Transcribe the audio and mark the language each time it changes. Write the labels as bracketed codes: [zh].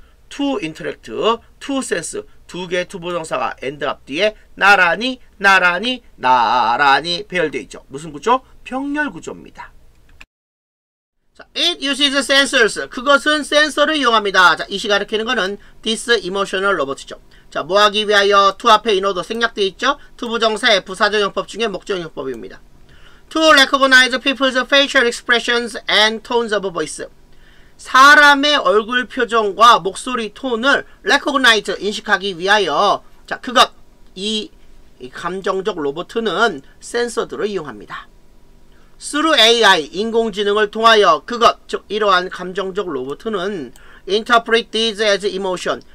[en] to interact to sense [ko] 두 개의 to 동사가 [en] end up [ko] 뒤에 나란히 배열되어 있죠 무슨 구조? 병렬 구조입니다 [en] It uses sensors. [ko] 그것은 센서를 이용합니다. 자, 이시 가르치는 거는 [en] this emotional robot [ko] 죠. 자, 뭐하기 위하여 to 앞에 인어도 생략되어 있죠? to 부정사의 부사적용법 중에 목적용법입니다. [en] to recognize people's facial expressions and tones of voice. [ko] 사람의 얼굴 표정과 목소리 톤을 recognize, 인식하기 위하여 자, 그것, 이 감정적 로봇은 센서들을 이용합니다. [en] Through AI, [ko] 인공지능을 통하여 그것, 즉 이러한 감정적 로봇은 [en] interpret these as emotion,